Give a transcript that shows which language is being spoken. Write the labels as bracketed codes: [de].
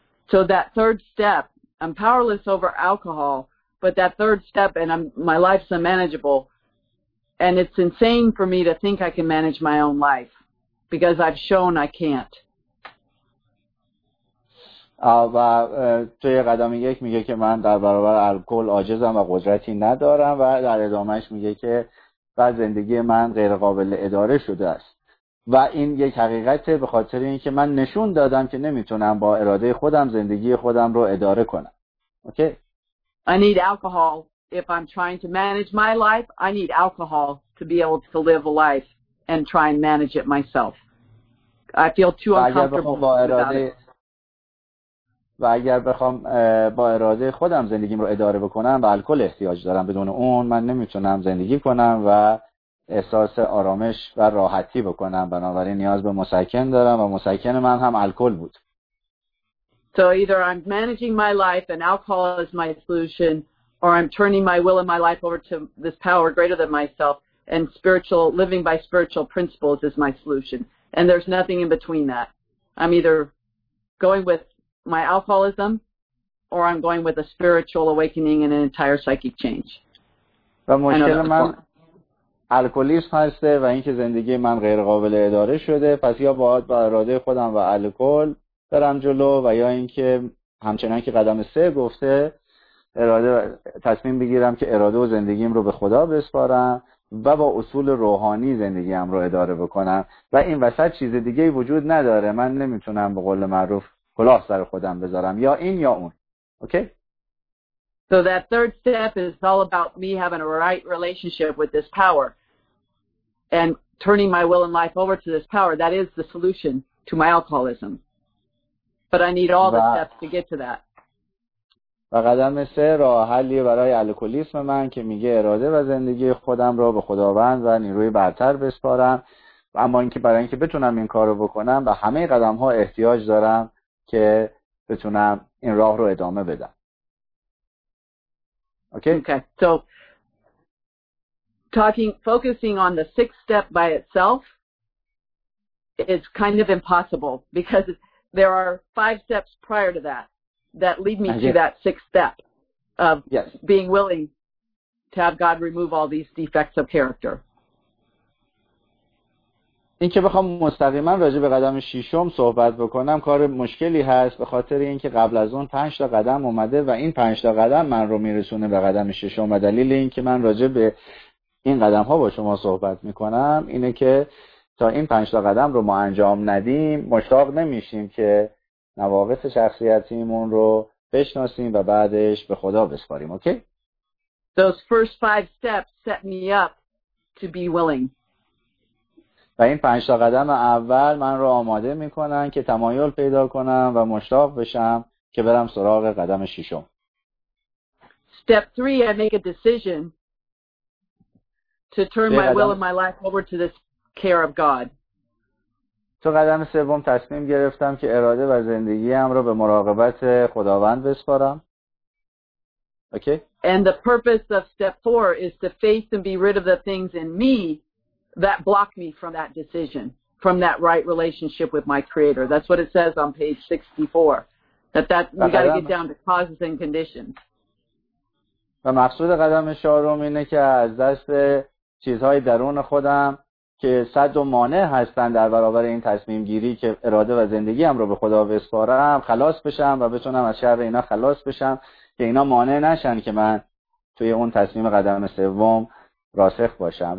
[en] So that third step, I'm powerless over alcohol, but that third step and my life's unmanageable, and it's insane for me to think I can manage my own life because I've shown I can't. [fa] و توی قدم یک میگه که من در برابر الکل عاجزم و قدرتی ندارم، و در ادامهش میگه که بعد زندگی من غیر قابل اداره شده است، و این یک حقیقته به خاطر اینکه من نشون دادم که نمیتونم با اراده خودم زندگی خودم رو اداره کنم. [en] Okay. I need alcohol if I'm trying to manage my life. I need alcohol to be able to live a life and try and manage it myself. I feel too uncomfortable without it. [fa] و اگر بخوام با اراده خودم زندگیم رو اداره بکنم، به الکل احتیاج دارم. بدون اون من نمیتونم زندگی کنم و احساس آرامش و راحتی بکنم. بنابراین نیاز به مسکن دارم و مسکن من هم الکل بود. [en] So either I'm managing my life and alcohol is my solution, or I'm turning my will and my life over to this power greater than myself, and spiritual living by spiritual principles is my solution. And there's nothing in between that. I'm either going with my alcoholism or I'm going with a spiritual awakening and an entire psychic change. [fa] و مشکل من الکلیسم هسته و اینکه زندگی من غیر قابل اداره شده، پس یا باید با اراده خودم و الکل برم جلو، و یا اینکه همچنان که قدم سه گفته اراده تصمیم بگیرم که اراده و زندگیم رو به خدا بسپارم و با اصول روحانی زندگیم رو اداره بکنم، و این وسط چیز دیگه‌ای وجود نداره. من نمیتونم به قول معروف کلاه سر خودم بذارم، یا این یا اون. [en] Okay. So that third step is all about me having a right relationship with this power and turning my will and life over to this power. That is the solution to my alcoholism. But I need all the steps to get to that. [fa] و قدم سه راه حلی برای الکلیسم من که میگه اراده و زندگی خودم رو به خداوند و نیروی برتر بسپارم، و اما اینکه برای اینکه بتونم این کارو بکنم و همه قدم ها احتیاج دارم که بتونم این راه رو ادامه بدم. [en] Okay. Okay. So focusing on the sixth step by itself is kind of impossible because there are five steps prior to that that lead me to that sixth step of being willing to have God remove all these defects of character. [fa] این که بخوام مستقیما راجع به قدم ششم صحبت بکنم کار مشکلی هست، به خاطر اینکه قبل از اون 5 تا قدم اومده و این 5 تا قدم من رو میرسونه به قدم ششم. و دلیل اینکه من راجع به این قدم ها با شما صحبت میکنم اینه که تا این 5 تا قدم رو ما انجام ندیم، مشتاق نمیشیم که نواقص شخصیتیمون رو بشناسیم و بعدش به خدا بسپاریم. [en] Okay? Those first 5 steps set me up to be willing. [fa] و این 5 تا قدم اول من رو آماده میکنن که تمایل پیدا کنم و مشتاق بشم که برم سراغ قدم ششم. [en] Step 3, I make a decision to turn my will and my life over to this care of God. [fa] تو قدم سوم تصمیم گرفتم که اراده و زندگیم رو به مراقبت خداوند بسپارم. [en] Okay? And the purpose of step 4 is to face and be rid of the things in me that block me from that decision, from that right relationship with my creator. That's what it says on page 64. That we got to get down to causes and conditions. [fa] و مقصود قدم شارم اینه که از دست چیزهای درون خودم که صد و مانع هستن در برابر این تصمیم گیری که اراده و زندگیم رو به خدا بسپارم خلاص بشم و بتونم از شر اینا خلاص بشم که اینا مانع نشن که من توی اون تصمیم قدم سوم راسخ باشم.